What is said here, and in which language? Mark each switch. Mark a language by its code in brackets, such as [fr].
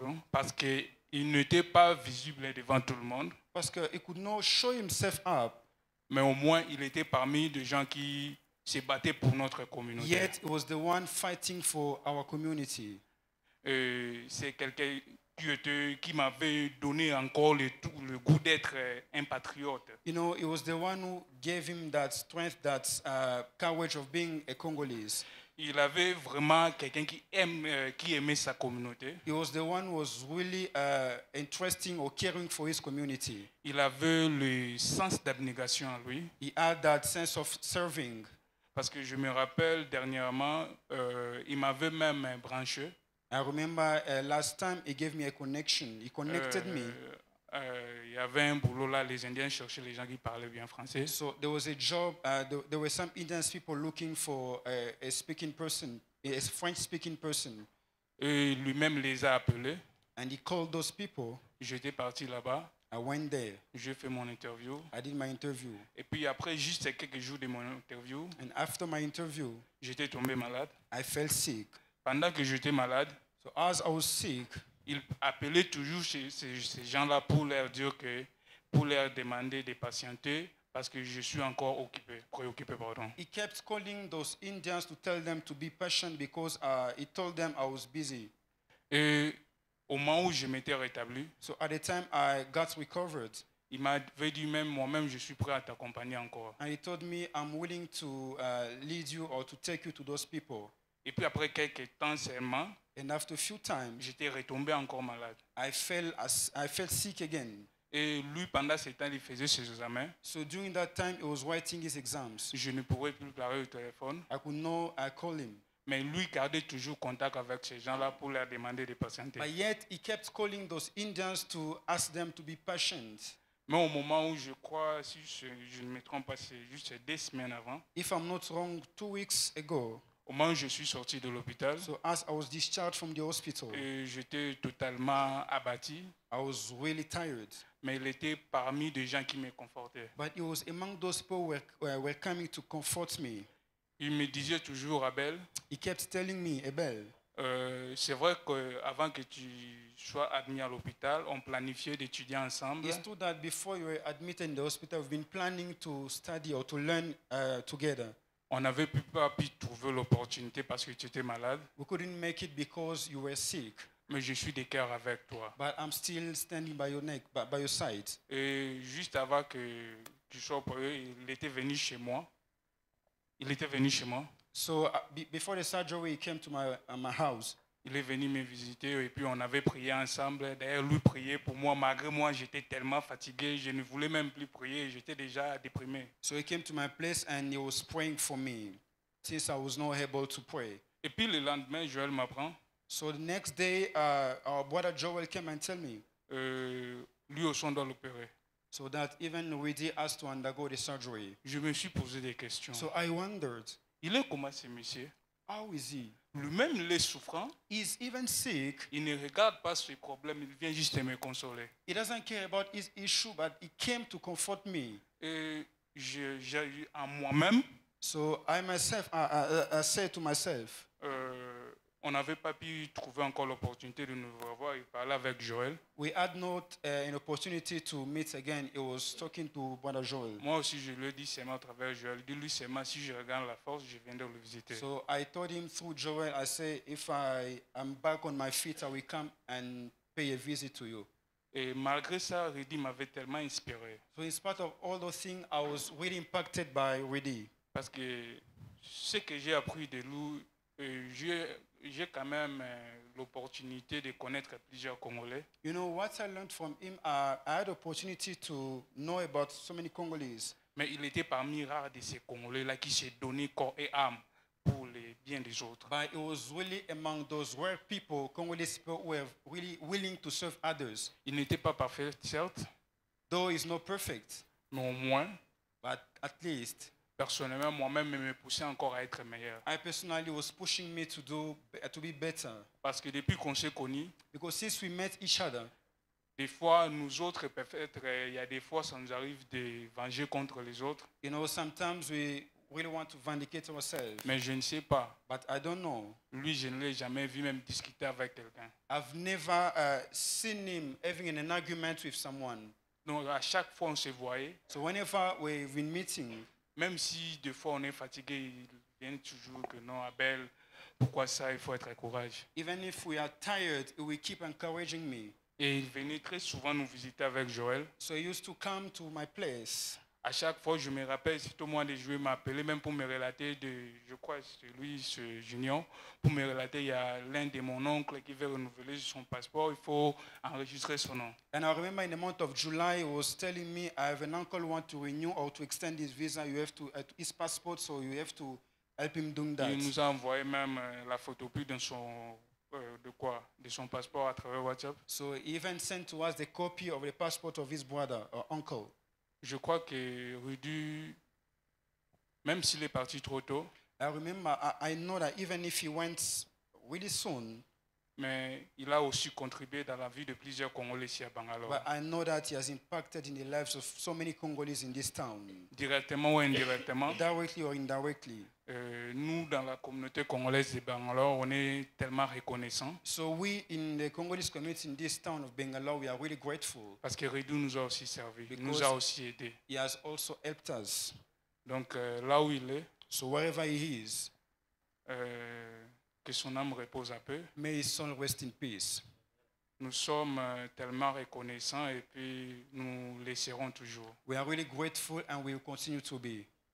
[fr] Parce qu'il n'était pas visible devant tout le monde. Parce que [en] he could not show himself up. [fr] Mais au moins, il était parmi des gens qui se battaient pour notre communauté. [en] Yet he was the one fighting for our community. [fr] C'est quelqu'un qui m'avait donné encore le goût d'être un patriote. [en] You know, he was the one who gave him that strength, that courage of being a Congolese. [fr] Il avait vraiment quelqu'un qui aimait sa communauté. [en] He was the one who was really interesting or caring for his community. [fr] Il avait le sens d'abnégation en lui. [en] He had that sense of serving. [fr] Parce que je me rappelle dernièrement, il m'avait même branché. [en] I remember last time he gave me a connection. He connected me. [fr] Il y avait un boulot là, les Indiens cherchaient les gens qui parlaient bien français. [en] So there was a job, there were some Indian people looking for a speaking person, a French speaking person. [fr] Et lui-même les a appelés. [en] And he called those people. [fr] J'étais parti là-bas. [en] I went there. [fr] J'ai fait mon interview. [en] I did my interview. [fr] Et puis après juste quelques jours de mon interview, [en] and after my interview, [fr] j'étais tombé malade. [en] I fell sick. [fr] Pendant que j'étais malade, [en] so as I was sick, [fr] il appelait toujours ces gens-là pour leur dire que pour leur demander de patienter parce que je suis encore occupé, préoccupé, pardon. [en] He kept calling those Indians to tell them to be patient because he told them I was busy. [fr] Et au moment où je m'étais rétabli, [en] so at the time I got recovered, [fr] il m'avait dit même moi-même je suis prêt à t'accompagner encore. [en] And he told me I'm willing to lead you or to take you to those people. [fr] Et puis après quelques temps seulement, [en] and after a few times, [fr] j'étais retombé encore malade. [en] I felt sick again. [fr] Et lui pendant ce temps il faisait ses examens. [en] So during that time he was writing his exams. [fr] Je ne pouvais plus parler au téléphone. [en] I could not call him. [fr] Mais lui gardait toujours contact avec ces gens-là pour leur demander de patienter. [en] But yet he kept calling those Indians to ask them to be patient. [fr] Mais au moment où je crois, si je ne me trompe pas, c'est juste deux semaines avant. [en] If I'm not wrong, 2 weeks ago. [fr] Au moment où je suis sorti de l'hôpital. [en] So as I was discharged from the hospital. [fr] Et j'étais totalement abattu. [en] I was really tired. [fr] Mais il était parmi des gens qui me confortaient. [en] But he was among those people were coming to comfort me. [fr] Il me disait toujours, Abel. [en] He kept telling me, Abel. [fr] C'est vrai que avant que tu sois admis à l'hôpital, on planifiait d'étudier ensemble. [en] It's true that before you were admitted in the hospital, we've been planning to study or to learn together. [fr] On n'avait pas pu trouver l'opportunité parce que tu étais malade. [en] We couldn't make it because you were sick. [fr] Mais je suis de cœur avec toi. [en] But I'm still standing by your neck, by your side. [fr] Et juste avant que tu sois opéré, il était venu chez moi. Il était venu chez moi. [en] So before the surgery, he came to my house. [fr] Il est venu me visiter et puis on avait prié ensemble. D'ailleurs, lui priait pour moi. Malgré moi, j'étais tellement fatigué, je ne voulais même plus prier. J'étais déjà déprimé. [en] So he came to my place and he was praying for me, since I was not able to pray. [fr] Et puis le lendemain, Joël m'apprend. [en] So the next day, our brother Joel came and tell me. [fr] Lui aussi on doit l'opérer. [en] So that even Rudy has to undergo the surgery. [fr] Je me suis posé des questions. [en] So I wondered. [fr] Il est comment ce monsieur? [en] How is he? [fr] Lui-même il est souffrant. [en] He's even sick. [fr] Il ne regarde pas ses problèmes, il vient juste me consoler. [en] He doesn't care about his issue, but he came to comfort me. [fr] Et j'ai en moi-même. [en] So I myself, I said to myself. [fr] On n'avait pas pu trouver encore l'opportunité de nous revoir et parler avec Joël. [en] We had not an opportunity to meet again. He was talking to Brother Joel. [fr] Moi aussi, je lui ai dit seulement à travers Joël. Dis-lui seulement si je regagne la force, je viendrai le visiter. [en] So I told him through Joel, I said, if I am back on my feet, I will come and pay a visit to you. [fr] Et malgré ça, Rudy m'avait tellement inspiré. [en] So in spite of all those things, I was really impacted by Rudy. [fr] Parce que ce que j'ai appris de lui, j'ai quand même l'opportunité de connaître plusieurs Congolais. [en] You know what I learned from him? I had opportunity to know about so many Congolese. [fr] Mais il était parmi rares de ces Congolais là qui s'est donné corps et âme pour les bien des autres. [en] But he was really among those rare people, Congolese people who were really willing to serve others. [fr] Il n'était pas parfait, certes. [en] Though he's not perfect. [fr] Mais au moins. [en] But at least. [fr] Personnellement, moi-même, je me poussais encore à être meilleur. [en] I personally was pushing me to be better. [fr] Parce que depuis qu'on s'est connus, [en] because since we met each other, [fr] des fois, nous autres, peut-être, il y a des fois, ça nous arrive de venger contre les autres. [en] You know, sometimes we really want to vindicate ourselves. [fr] Mais je ne sais pas. [en] But I don't know. [fr] Lui, je ne l'ai jamais vu même discuter avec quelqu'un. [en] I've never seen him having an argument with someone. [fr] Donc, à chaque fois, on se voyait. [en] So whenever we've been meeting. [fr] Même si des fois on est fatigué, il vient toujours que non, Abel, pourquoi ça? Il faut être courageux. [en] Even if we are tired, he will keep encouraging me. [fr] Et il venait très souvent nous visiter avec Joël. [en] So he used to come to my place. [fr] À chaque fois, je me rappelle, c'est au moins de jouer, m'appeler même pour me relater de, je crois, c'est lui, ce Junior, pour me relater, il y a l'un de mon oncle qui veut renouveler son passeport, il faut enregistrer son nom. [en] And I remember in the month of July, he was telling me, I have an uncle who wants to renew or to extend his visa, you have to, his passport, so you have to help him do that. [fr] Il nous a envoyé même la photocopie de son, de quoi, de son passeport à travers WhatsApp. [en] So he even sent to us the copy of the passport of his brother or uncle. [fr] Je crois que Rudy, même s'il est parti trop tôt, [en] I remember, I know that even if he went really soon, [fr] Mais il a aussi contribué dans la vie de plusieurs Congolais ici à Bangalore. [en] But I know that he has impacted in the lives of so many Congolese in this town. [fr] Directement ou indirectement. [en] Directly or indirectly. [fr] Nous dans la communauté congolaise de Bangalore, on est tellement reconnaissants. [en] So we in the Congolese community in this town of Bangalore, we are really grateful. [fr] Parce que Redou nous a aussi servi, nous a aussi aidé. [en] He has also helped us. [fr] Donc là où il est. [en] So wherever he is. [fr] Que son âme repose un peu. [en] May his soul rest in peace. [fr] Nous sommes tellement reconnaissants et puis nous laisserons toujours. [en] We are really grateful and we will continue to be.